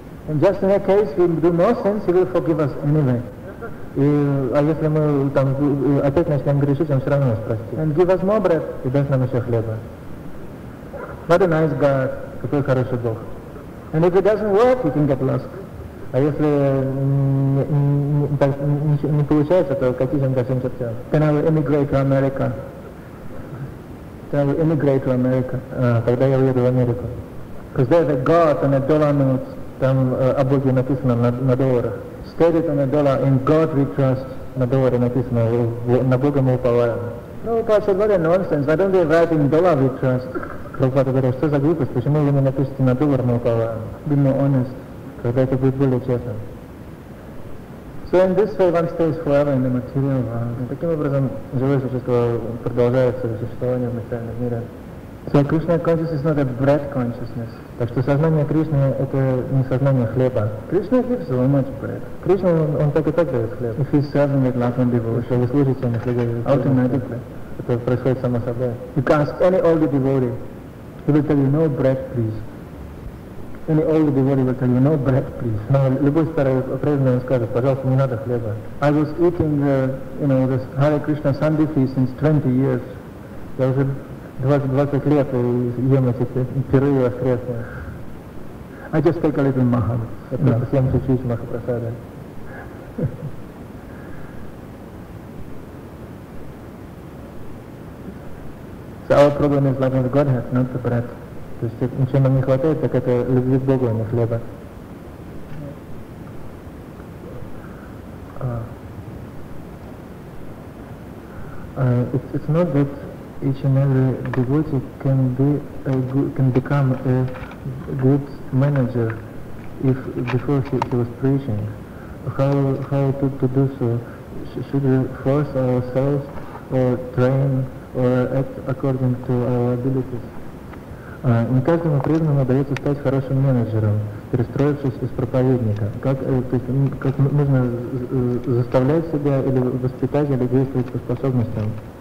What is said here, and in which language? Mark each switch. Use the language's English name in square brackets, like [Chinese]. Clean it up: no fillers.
[English] And just in that case, we do more sins, he will forgive us anyway. [Russian] И, а если мы там опять начнем грешить, он все равно нас простит. [English] And give us more bread. [Russian] И даст нам еще хлеба. [English] What a nice God. [Russian] Какой хороший Бог. [English] And if it doesn't work, you can get lost. [Russian] А если не получается, то катись он ко всем чертям. [English] Then I will emigrate to America. Then I will emigrate to America. [Russian] Тогда я уеду в Америку. [English] Because there the God on a dollar note. [Russian] Там о Боге написано на долларах. [English] Stated on a dollar, in God we trust. [Russian] На долларе написано, на Бога мы уповаем. [English] No, Paul said, what a nonsense. Why don't they write in dollar we trust? [Russian] Прабхупада говорил, что за глупость, почему вы не напишите на доллар мы уповаем? [English] Be more honest. [Russian] Когда это будет более честно. [English] So in this way one stays forever in the material world. [Russian] Таким образом, живое существо продолжает свое существование в материальном мире. [English] So Krishna consciousness is not a bread consciousness. [Russian] Так что сознание Кришны — это не сознание хлеба. [English] Krishna gives so much bread. [Russian] Кришна, он так и так дает хлеб. [English] If he's serving with love and devotion. [Russian] Если вы служите ему хлебом. [English] Automatically. [Russian] Это происходит само собой. [English] You can ask any old devotee. He will tell you, no bread, please. Any old devotee will tell you, no bread, please. [Russian] Но любой старый преданный скажет, пожалуйста, не надо хлеба. [English] I was eating, this Hare Krishna Sunday feast since 20 years. [Russian] Я уже 20 лет ем эти пиры воскресные. [English] I just take a little maha. [Russian] Я съем чуть-чуть махапрасады. [English] So our problem is love of Godhead, not the bread. [Russian] То есть, чем нам не хватает, так это любви к Богу, а не хлеба. [English] It's not that each and every devotee can become a good manager if before he was preaching. How to do so? Should we force ourselves or train or act according to our abilities? [Russian] Не каждому преданному удается стать хорошим менеджером, перестроившись из проповедника. Как нужно заставлять себя или воспитать, или действовать по способностям?